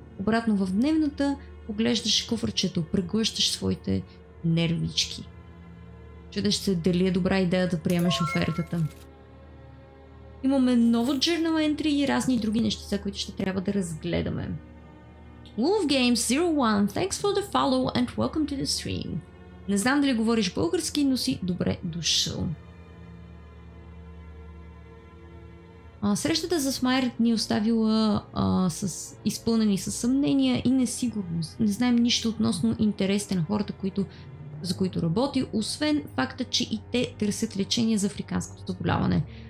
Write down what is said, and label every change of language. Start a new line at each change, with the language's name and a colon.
Bulgarian: Обратно в дневната, поглеждаш куфърчето, преглъщаш своите нервички. Чудеш се дали е добра идея да приемеш офертата. Имаме ново journal entry и разни други неща, които ще трябва да разгледаме.
English: Wolfgame01, thanks for the follow and welcome to the stream.
Bulgarian: Не знам дали говориш български, но си добре дошъл. Срещата за Смайер ни оставила изпълнени със съмнения и несигурност. Не знаем нищо относно интересите на хората, за които работи, освен факта, че и те търсят лечение за африканското заболяване.